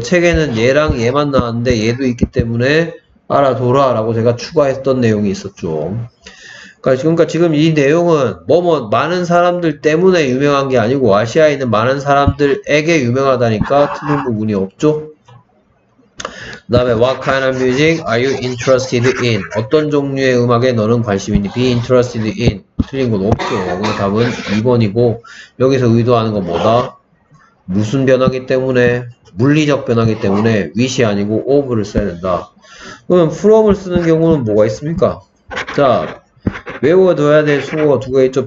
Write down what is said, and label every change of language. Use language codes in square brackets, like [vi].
[ko] 책에는 얘랑 얘만 나왔는데 얘도 있기 때문에 알아둬라라고 제가 추가했던 내용이 있었죠. 그러니까 지금 이 내용은 뭐뭐 많은 사람들 때문에 유명한 게 아니고 아시아에 있는 많은 사람들에게 유명하다니까 틀린 부분이 없죠. 그다음에 [en] what kind of music are you interested in? [ko] 어떤 종류의 음악에 너는 관심이니? [en] Be interested in. [ko] 틀린 건 없죠. 그 답은 2번이고 여기서 의도하는 건 뭐다? 무슨 변화기 때문에? 물리적 변화기 때문에 which이 아니고 of를 써야 된다. 그럼 from을 쓰는 경우는 뭐가 있습니까? 자, 외워둬야 될 수거가 두개 있죠.